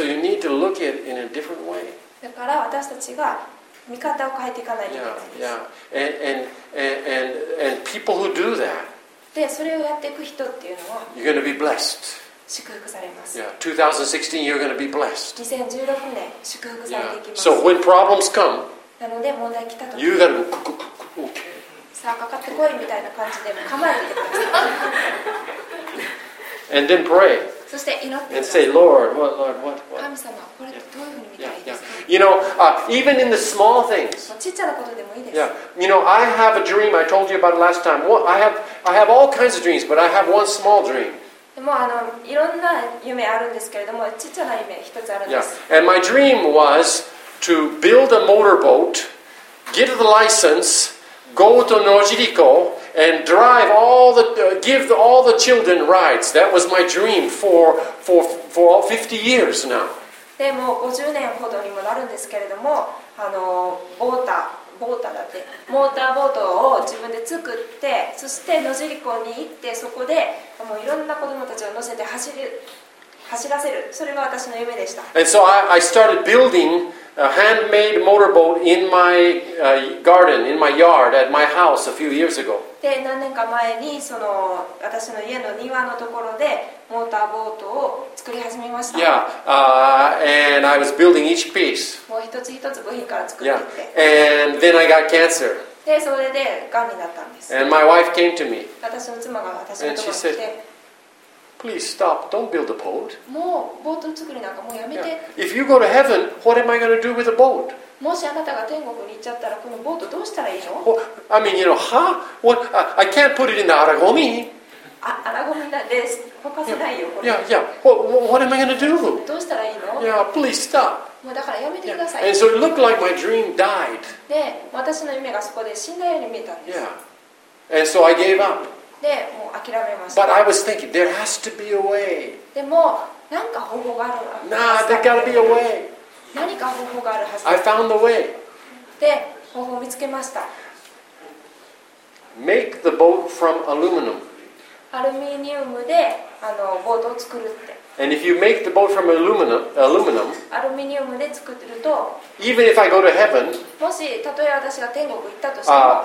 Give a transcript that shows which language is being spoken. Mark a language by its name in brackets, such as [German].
[English] And so you need to look at it in a different way. [Japanese] だから私たちが見方を変えていかないといけないんです。 [English] Yeah, yeah. And people who do that. [Japanese] でそれをやっていく人っていうのは。 [English] You're going to be blessed. Yeah, 2016, you're going to be blessed. [Japanese] 2016年祝福されていきます。 [English] So when problems come, [Japanese] なので問題来た時、 [English] you got to go, okay. [Japanese] さあかかってこいみたいな感じで構えてください。 [English] And then pray. [Japanese] そして祈って。 [English] And say, Lord, what? [Japanese] 神様、これってどういうふうに見たいですか [English] ？ You know, even in the small things. [Japanese] ちっちゃなことでもいいです。 [English] Yeah, you know, I have a dream. I told you about it last time. Well, I have all kinds of dreams, but I have one small dream. [Japanese] もういろんな夢あるんですけれども、ちっちゃな夢一つあるんです。 [English] Yeah. And my dream was to build a motorboat, get the license, go to Nojiriko, and drive all the, give all the children rides. That was my dream for 50 years now. [Japanese] でも50年ほどにもなるんですけれども、モーターボートを自分で作って、そしてノジリコに行って、そこでもういろんな子どもたちを乗せて走らせる、それが私の夢でした。 [English] And so I started building a handmade motorboat in my garden, in my yard, at my house a few years ago. [Japanese] で、何年か前にその私の家の庭のところでモーターボートを作り始めました。 [English] Yeah, and I was building each piece. [Japanese] もう一つ一つ部品から作っていって。 [English] Yeah, and then I got cancer. [Japanese] でそれで癌になったんです。 [English] And my wife came to me. [Japanese] 私の妻が私のところに来て、 [English] said, Please stop. Don't build a boat. [Japanese] もうボート作りなんかもうやめて。 [English] Yeah. If you go to heaven, what am I going to do with a boat? [Japanese] もしあなたが天国に行っちゃったらこのボートどうしたらいいの？ [English] Well, I mean, you know, huh? What? I can't put it in the Aragomi. [Japanese] Aragomi です。ほかせないよ。 [English] Yeah. What am I going to do? [Japanese] どうしたらいいの？ [English] Yeah. Please stop. [Japanese] もうだからやめてください。 [English] Yeah. And so it looked like my dream died. [Japanese] で、私の夢がそこで死んだように見えたんです。 [English] Yeah. And so I gave up. [Japanese] で、もう諦めました。 [English] But I was thinking, there has to be a way. [Japanese] でも、なんか方法があるはず。 [English] Nah, there gotta be a way. [Japanese] 何か方法があるはず。 [English] I found the way. [Japanese] で、方法を見つけました。 [English] Make the boat from aluminum. [Japanese] アルミニウムでボートを作るって。 [English] And if you make the boat from aluminum, [Japanese] アルミニウムで作ってると、 [English] even if I go to heaven, [Japanese] もし例え私が天国行ったとしても、